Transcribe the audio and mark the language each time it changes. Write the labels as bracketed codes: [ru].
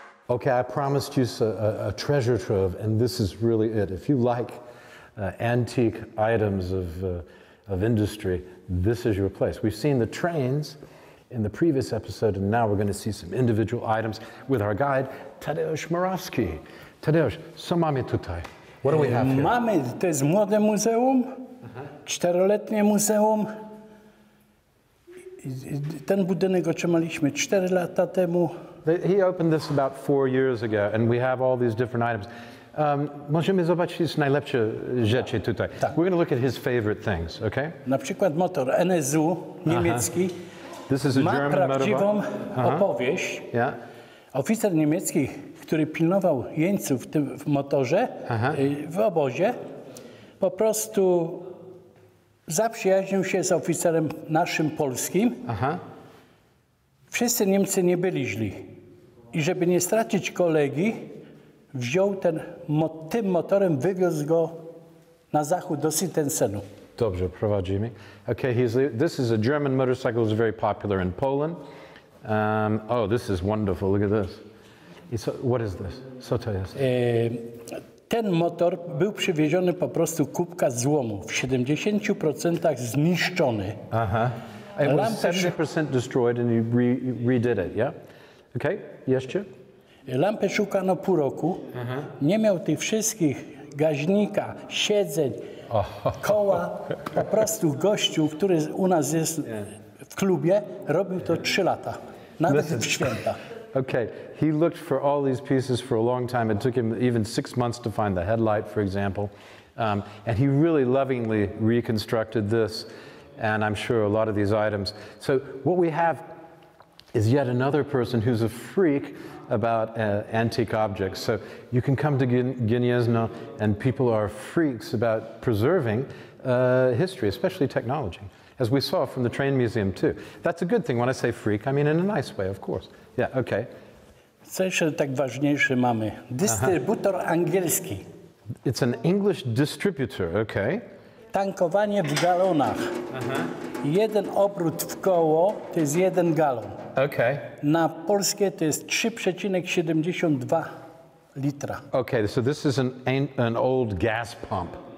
[en] Okay, I promised you a treasure trove, and this is really it. If you like antique items of industry, this is your place. We've seen the trains in the previous episode, and now we're going to see some individual items with our guide, Tadeusz Morawski. Tadeusz, [pl] co mamy tutaj? [en] What do we have here? [pl] Mamy, to jest młode muzeum, czteroletnie muzeum. Ten budynek otrzymaliśmy 4 lata temu. [en] He opened this about 4 years ago, and we have all these different items. [pl] Możemy zobaczyć najlepsze rzeczy tutaj. [en] We're going to look at his favorite things, okay? [pl] Na przykład motor NSU niemiecki. [en] This is a German motorbike. [pl] Ma prawdziwą opowieść. [en] Yeah. [pl] Oficer niemiecki, który pilnował jeńców w motorze, w obozie, po prostu zaprzyjaźnił się z oficerem naszym polskim. Wszyscy Niemcy nie byli źli. I żeby nie stracić kolegi, wziął ten, tym motorem, wywiózł go na zachód do Sittensenu. Dobrze, prowadzimy. [en] Okay, this is a German motorcycle, it's very popular in Poland. Oh, this is wonderful, look at this. What is this? [pl] Co to jest? Ten motor był przywieziony po prostu kubka złomu, w 70% zniszczony. [en] It was 70% destroyed and you redid it, yeah? [pl] Okay, jeszcze? Lampę szukano pół roku. Nie miał tych wszystkich gaźnika, siedzeń, koła. Po prostu gościu, który u nas jest w klubie, robił to 3 lata. Nawet w święta. [en] Okay, he looked for all these pieces for a long time. It took him even 6 months to find the headlight, for example. And he really lovingly reconstructed this. And I'm sure a lot of these items. So what we have is yet another person who's a freak about antique objects. So you can come to Gniezno, and people are freaks about preserving history, especially technology, as we saw from the train museum too. That's a good thing. When I say freak, I mean in a nice way, of course. Yeah, okay. [pl] Co jeszcze tak ważniejsze mamy? Dystrybutor angielski. [en] It's an English distributor, okay. [pl] Tankowanie w galonach. Jeden obrót w koło to jest jeden galon. [en] Okay. [pl] Na polskie to jest 3,72 litra. [en] Okay, so this is an old gas pump.